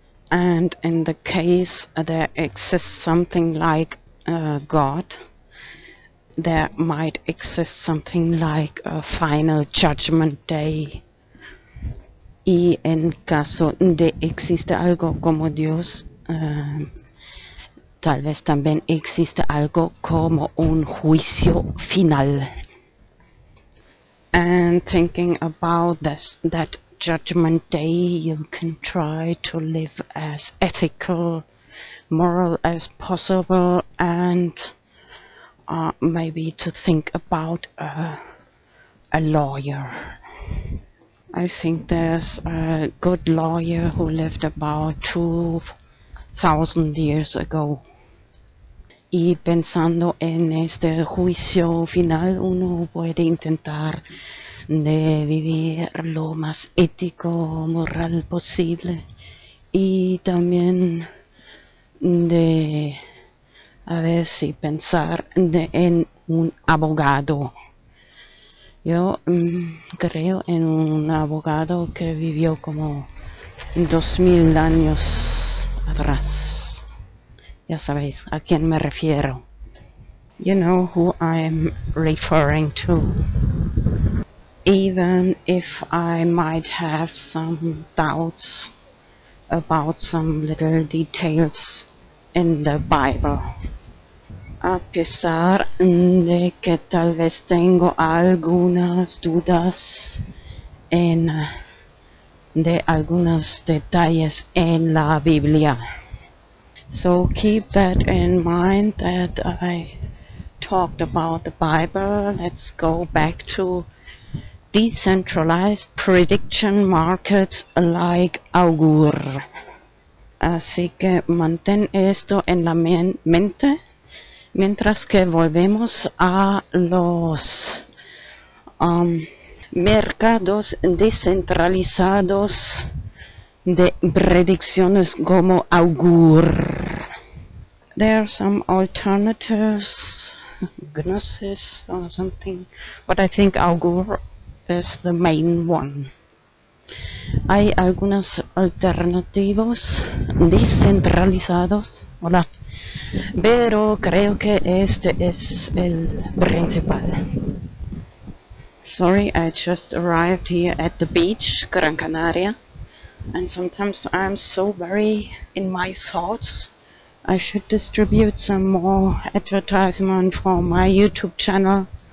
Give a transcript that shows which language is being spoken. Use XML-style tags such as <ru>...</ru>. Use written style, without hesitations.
<en>And in the case there exists something like God, there might exist something like a final judgment day.</en> <es>Y en caso de existe algo como Dios, tal vez también existe algo como un juicio final.</es> <en>And thinking about this, that judgment day, you can try to live as ethical, moral as possible, and maybe to think about a lawyer. I think there's a good lawyer who lived about 2,000 years ago.</en> <es>Y pensando en este juicio final, uno puede intentar de vivir lo más ético, moral posible y también de a ver si pensar en un abogado. Yo creo en un abogado que vivió como 2000 años atrás. Ya sabéis a quién me refiero.</es> <en>You know who I'm referring to. Even if I might have some doubts about some little details in the Bible.</en> <es>A pesar de que tal vez tengo algunas dudas en de algunos detalles en la Biblia.</es> <en>So keep that in mind that I talked about the Bible. Let's go back to Decentralized prediction markets like Augur.</en> <es>Así que mantén esto en la mente mientras que volvemos a los mercados descentralizados de predicciones como Augur.</es> <en>There are some alternatives, Gnosis or something, but I think Augur is the main one.</en> <es>Hay algunas alternativos descentralizados, hola, pero creo que este es el principal.</es> <en>Sorry, I just arrived here at the beach, Gran Canaria, and sometimes I'm so very in my thoughts. I should distribute some more advertisement for my YouTube channel.</en>